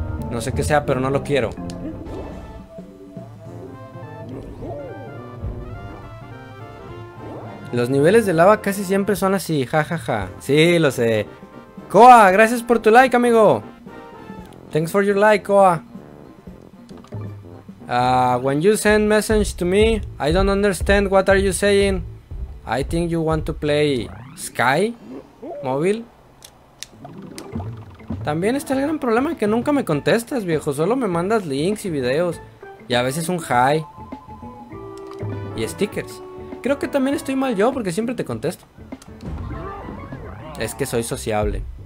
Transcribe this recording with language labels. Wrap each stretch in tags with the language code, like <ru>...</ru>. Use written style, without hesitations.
<es>No sé qué sea, pero no lo quiero. Los niveles de lava casi siempre son así, jajaja. Ja, ja. Sí, lo sé. Koa, gracias por tu like, amigo.</es> <en>Thanks for your like, Koa. When you send message to me, I don't understand what are you saying. I think you want to play Sky Mobile.</en> <es>También está el gran problema que nunca me contestas, viejo. Solo me mandas links y videos. Y a veces un hi. Y stickers. Creo que también estoy mal yo, porque siempre te contesto. Es que soy sociable.</es>